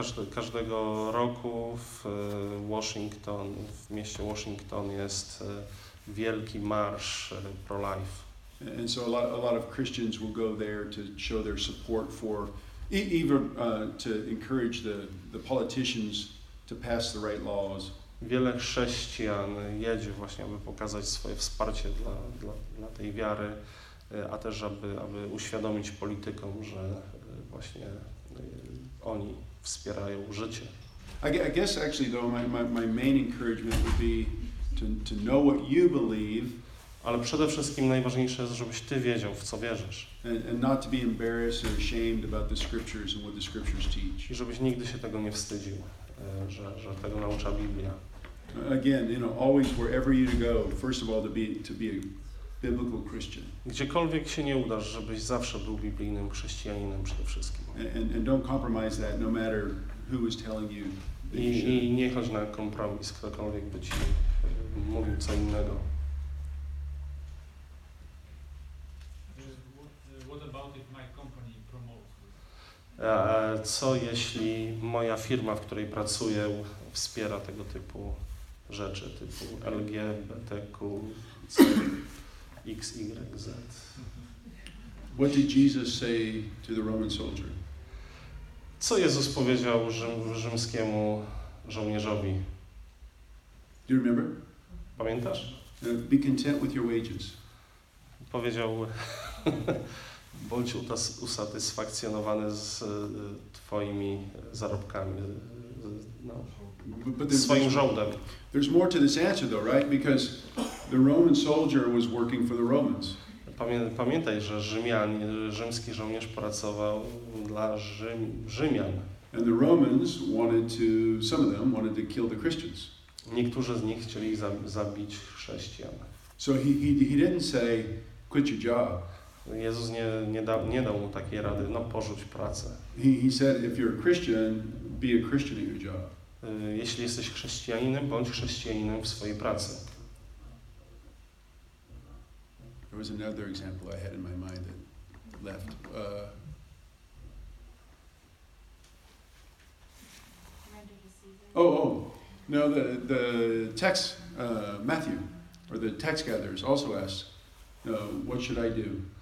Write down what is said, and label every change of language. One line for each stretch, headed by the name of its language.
Polish: Każdego roku w mieście Washington jest wielki marsz pro-life.
English: And so a lot of Christians will go there to show their support for, even to encourage the politicians to pass the right laws.
Polish: Wiele chrześcijan jedzie właśnie, aby pokazać swoje wsparcie dla tej wiary, a też aby uświadomić politykom, że właśnie oni wspierają życie.
English: I guess actually though my main encouragement would be to know what you believe.
Polish: Ale przede wszystkim najważniejsze jest, żebyś ty wiedział, w co wierzysz.
English: And not to be embarrassed or ashamed about the scriptures and what the scriptures teach.
Polish: I żebyś nigdy się tego nie wstydził, że tego naucza Biblia.
English: Again, you know, always wherever you go, first of all to be a biblical Christian.
Polish: Gdziekolwiek się nie udasz, żebyś zawsze był biblijnym chrześcijaninem przede wszystkim.
English: And don't compromise that, no matter who is telling you.
Polish: I nie chodź na kompromis, ktokolwiek by ci mówił co innego.
English: What about if my company promotes?
Polish: Co jeśli moja firma, w której pracuję, wspiera tego typu rzeczy, typu LGBTQ, X, Y, Z?
English: What did Jesus say to the Roman soldier?
Polish: Co Jezus powiedział rzymskiemu żołnierzowi?
English: Do you remember?
Polish: Pamiętasz?
English: Be content with your wages.
Polish: Powiedział, bądź usatysfakcjonowany z twoimi zarobkami, no, swoim żołdem.
English: There's more to this answer though, right? Because the Roman soldier was working for the Romans.
Polish: Pamiętaj, że rzymski żołnierz pracował dla Rzymian.
English: And the Romans wanted to, some of them wanted to kill the Christians.
Polish: Niektórzy z nich chcieli zabić chrześcijan.
English: So he didn't say, quit your job.
Polish: Jezus nie dał mu takiej rady, no porzuć pracę.
English: He said, if you're a Christian, be a Christian at your job.
Polish: Jeśli jesteś chrześcijaninem, bądź chrześcijaninem w swojej pracy.
English: There was another example I had in my mind that left. No, the tax, Matthew, or the tax gatherers also asked, what should I do?